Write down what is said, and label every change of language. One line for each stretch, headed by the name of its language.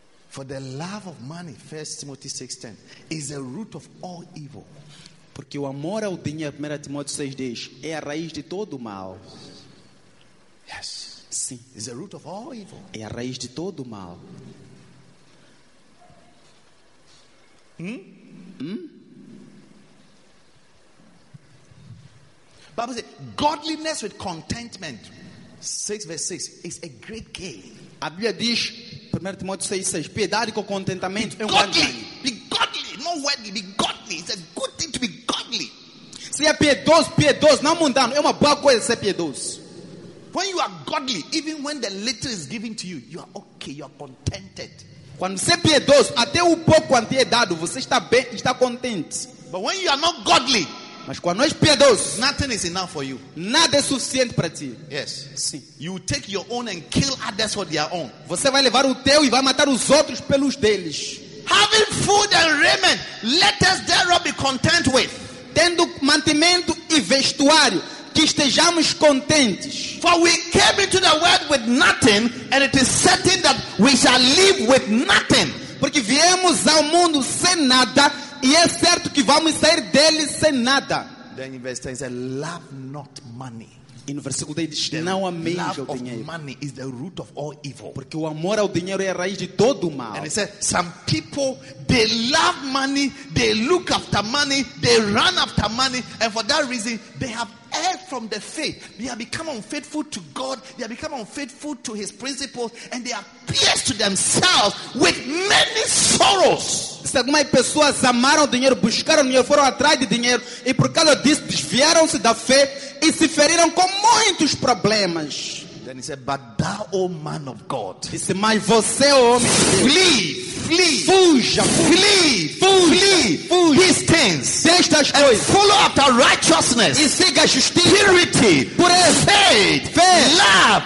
English: For the love of money, 1 Timothy 6:10, is the root of all evil.
Portuguese: Porque o amor ao dinheiro, 1 Timóteo 6 diz, é a raiz de todo o mal.
English: Yes.
Portuguese: Sim.
English: Is the root of all evil.
Portuguese: É a raiz de todo o mal.
English: Bible says, godliness with contentment, 6 verse 6, is a great gain.
Portuguese: A Bíblia diz, 1 Timóteo 6, 6, piedade com contentamento
English: be
Portuguese: é um grande ganho.
English: Be godly, not worldly, be godly. It's a good thing to be godly.
Portuguese: Se é piedoso, não mundano, é uma boa coisa ser piedoso.
English: When you are godly, even when the little is given to you, you are okay, you are contented.
Portuguese: Quando você é piedoso, até o pouco quanto é dado, você está bem, está contente.
English: But when you are not godly,
Portuguese: mas quando és piedoso,
English: nothing is enough for you.
Portuguese: Nada é suficiente para ti.
English: Yes.
Portuguese: Sim.
English: You take your own and kill others for their own.
Portuguese: Você vai levar o teu e vai matar os outros pelos deles.
English: Having food and raiment, let us thereof be content with.
Portuguese: Tendo mantimento e vestuário, que estejamos contentes.
English: For we came into the world with nothing, and it is certain that we shall live with nothing.
Portuguese: Porque viemos ao mundo sem nada. E é certo que vamos sair dele sem nada.
English: Then in verse 10 says, love not money.
Portuguese: E no versículo 10 diz, não ameis o dinheiro.
English: Love of money is the root of all evil.
Portuguese: Porque o amor ao dinheiro é a raiz de todo o mal.
English: And it says, some people, they love money, they look after money, they run after money, and for that reason, they have erred from the faith. They have become unfaithful to God, they have become unfaithful to his principles, and they are pierced to themselves with many sorrows.
Portuguese: Se algumas pessoas amaram dinheiro, buscaram dinheiro, foram atrás de dinheiro, e por causa disso desviaram-se da fé e se feriram com muitos problemas.
English: Then he said, but thou, O man of God,
Portuguese: disse, mas você, o homem,
English: flee these things,
Portuguese: destas coisas,
English: follow after righteousness,
Portuguese: e siga justiça,
English: purity,
Portuguese: pureza,
English: faith, love,